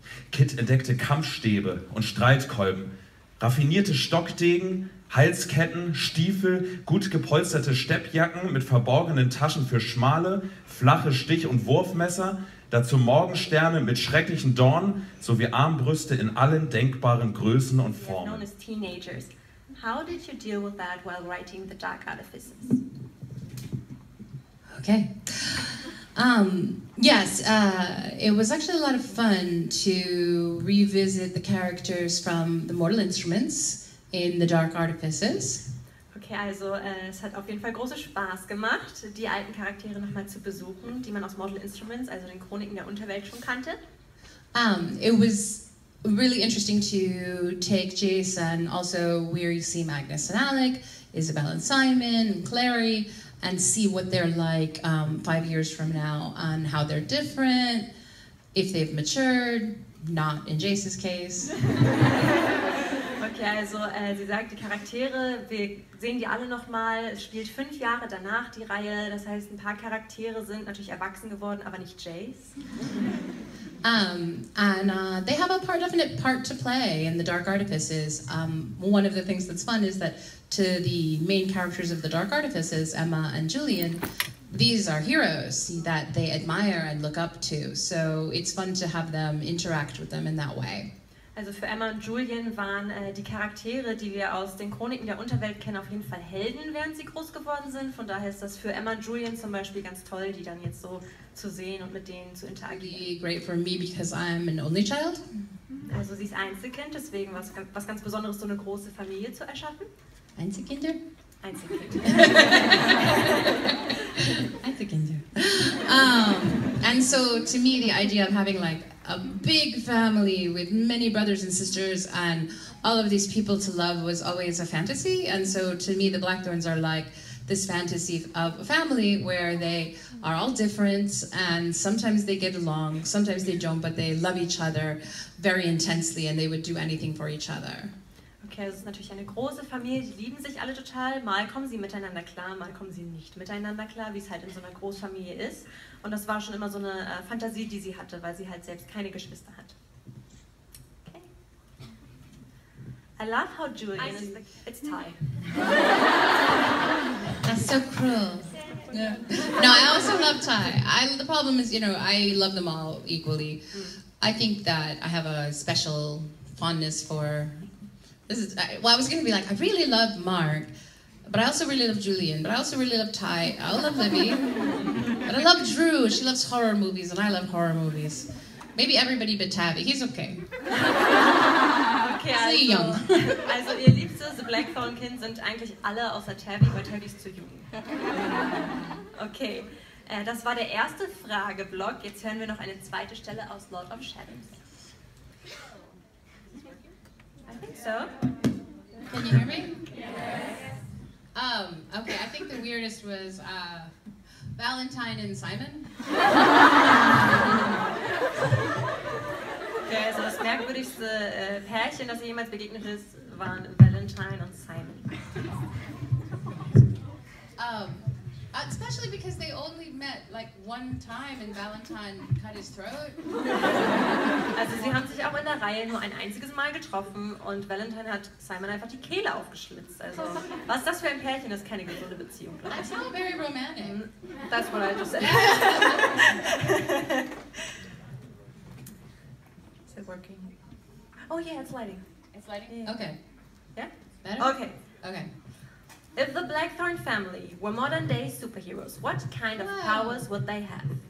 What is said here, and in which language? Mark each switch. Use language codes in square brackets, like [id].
[de] Kit entdeckte Kampfstäbe und Streitkolben, raffinierte Stockdegen, Halsketten, Stiefel, gut gepolsterte Steppjacken mit verborgenen Taschen für schmale, flache Stich- und Wurfmesser, dazu Morgensterne mit schrecklichen Dornen sowie Armbrüste in allen denkbaren Größen und Formen. [en] Known as teenagers. How did you deal with that while writing The Dark Artifices? Okay. It was actually a lot of fun to revisit the characters from The Mortal Instruments in The Dark Artifices. [de] Okay, also es hat auf jeden Fall große Spaß gemacht, die alten Charaktere nochmal zu besuchen, die man aus Mortal Instruments, also den Chroniken der Unterwelt, schon kannte. [en] It was really interesting to take Jason, also where you see Magnus and Alec, Isabel and Simon, and Clary, and see what they're like 5 years from now, and how they're different, if they've matured, not in Jace's case. [de] Okay, also sie sagt, die Charaktere, wir sehen die alle nochmal, es spielt 5 Jahre danach die Reihe, das heißt, ein paar Charaktere sind natürlich erwachsen geworden, aber nicht Jace. [en] They have a definite part to play in The Dark Artifices. One of the things that's fun is that to the main characters of The Dark Artifices, Emma and Julian, these are heroes that they admire and look up to. So it's fun to have them interact with them in that way. [de] Also für Emma und Julian waren die Charaktere, die wir aus den Chroniken der Unterwelt kennen, auf jeden Fall Helden, während sie groß geworden sind. Von daher ist das für Emma und Julian zum Beispiel ganz toll, die dann jetzt so zu sehen und mit denen zu interagieren. [en] Really great for me because I'm an only child. [de] Also sie ist Einzelkind, deswegen was ganz Besonderes, so eine große Familie zu erschaffen. Einzelkinder? Einzelkinder. Einzelkinder. [en] And so to me the idea of having like a big family with many brothers and sisters and all of these people to love was always a fantasy. And so to me, the Blackthorns are like this fantasy of a family where they are all different and sometimes they get along, sometimes they don't, but they love each other very intensely and they would do anything for each other. [de] Okay, es ist natürlich eine große Familie, die lieben sich alle total. Mal kommen sie miteinander klar, mal kommen sie nicht miteinander klar, wie es halt in so einer Großfamilie ist. Und das war schon immer so eine Fantasie, die sie hatte, weil sie halt selbst keine Geschwister hat. [en] Okay. I love how Julian is the... It's Thai. That's so cruel. No, I also love Thai. The problem is, you know, I love them all equally. I think that I have a special fondness for... I was going to be like, I really love Mark, but I also really love Julian, but I also really love Ty, I love Libby, but I love Drew, she loves horror movies, and I love horror movies. Maybe everybody but Tavi, he's okay. [de] Okay, also, [en] young. [de] Also ihr liebstes Blackthorn-Kind sind eigentlich alle außer Tavi, weil Tavi ist zu jung. Okay, das war der erste Frageblock, jetzt hören wir noch eine zweite Stelle aus Lord of Shadows. So, [en] can you hear me? Yes. Okay, I think the weirdest was Valentine and Simon. [de] Okay, also das merkwürdigste Pärchen, das ihr jemals begegnet ist, waren Valentine und Simon. [en] Especially because they only met like one time and Valentine cut his throat. [de] Also sie haben sich auch in der Reihe nur ein einziges Mal getroffen und Valentine hat Simon einfach die Kehle aufgeschlitzt. Also was ist das für ein Pärchen? Das ist keine gesunde Beziehung. Glaub ich. [en] That's not very romantic. That's what I just said. Is it working? Oh yeah, it's lighting. It's lighting? Yeah. Okay. Yeah? Better? Okay. Okay. If the Blackthorne family were modern-day superheroes, what kind of powers would they have?